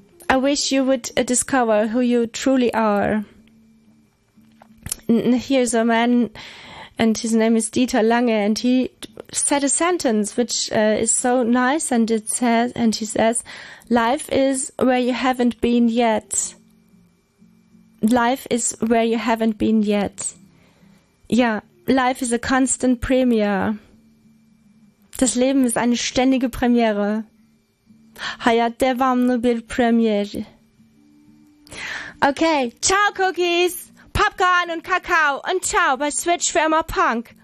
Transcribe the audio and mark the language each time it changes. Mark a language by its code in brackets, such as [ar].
[en] I wish you would discover who you truly are. And here's a man, and his name is Dieter Lange, and he said a sentence which is so nice, and it says, and he says, life is where you haven't been yet. Life is where you haven't been yet. Yeah. Life is a constant premiere. [de] Das Leben ist eine ständige Premiere. [tr] Hayat devamlı bir premier. [de] Okay, ciao Cookies, Popcorn und Kakao und ciao bei Switch für immer Punk.